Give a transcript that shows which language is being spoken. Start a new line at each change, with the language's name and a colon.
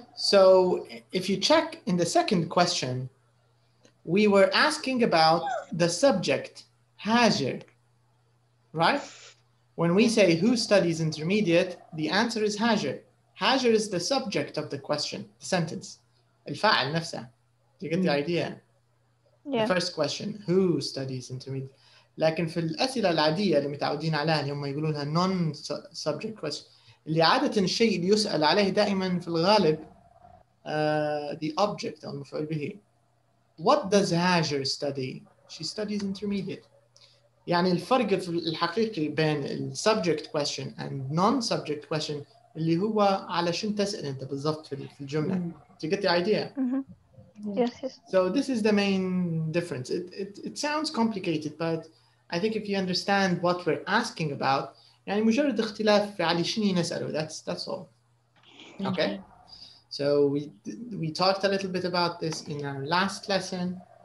English: So if you check in the second question, we were asking about the subject, Hajar, right? When we say who studies intermediate, the answer is Hajar. Hajar is the subject of the question, the sentence.
Arabic: الفاعل نفسه.
English: Do you get the idea? Yeah. The first question, who studies intermediate?
Arabic: لكن في الأسئلة العادية اللي متعودين عليها اللي هم يقولونها
English: non-subject question
Arabic: اللي عادة الشيء اللي يسأل عليه دائما في الغالب
English: the object
Arabic: أو المفعول به.
English: What does Hajar study? She studies intermediate.
Arabic: يعني الفرق الحقيقي بين
English: subject question and non-subject question
Arabic: اللي هو على شن تسأل أنت بالضبط في الجملة.
English: Do you get the idea? Yes. So this is the main difference. It sounds complicated, but I think if you understand what we're asking about,
Arabic: يعني مجرد اختلاف في علي شن ينسأله.
English: That's all. Okay. So we talked a little bit about this in our last lesson.